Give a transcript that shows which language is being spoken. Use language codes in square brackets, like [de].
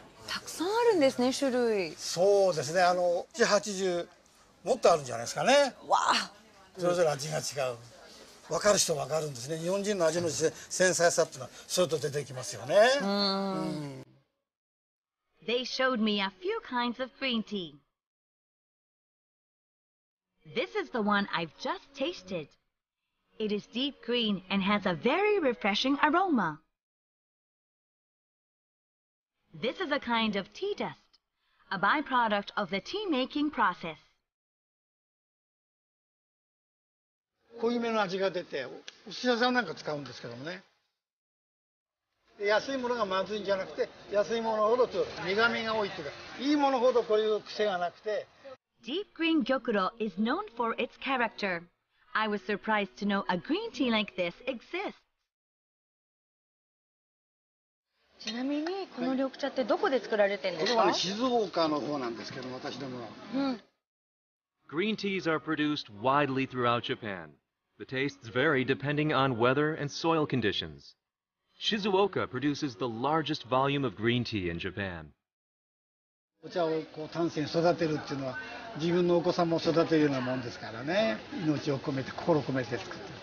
[ja] たくさんあるんですね、種類。そうですね、80、もっとあるんじゃないですかね。わあ。それぞれ味が違う。分かる人は分かるんですね。日本人の味の繊細さっていうのは、それと出てきますよね。 [en] They showed me a few kinds of green tea. This is the one I've just tasted. It is deep green and has a very refreshing aroma. This is a kind of tea dust, a byproduct of the tea making process. [ja] 濃いめの味が出て、お寿司屋さんなんか使うんですけどもね。安いものがまずいんじゃなくて、安いものほどと苦味が多いというか、いいものほどこういう癖がなくて。 [en] Deep green gyokuro is known for its character. I was surprised to know a green tea like this exists. [ja] ちなみにこの緑茶ってどこで作られてるんですか？これは静岡の方なんですけど、私どもは。 [en] Green teas are produced widely throughout Japan. The tastes vary depending on weather and soil conditions. Shizuoka produces the largest volume of green tea in Japan. [ja] お茶をこう丹精に育てるっていうのは自分のお子さんも育てるようなもんですからね。命を込めて心を込めて作ってる。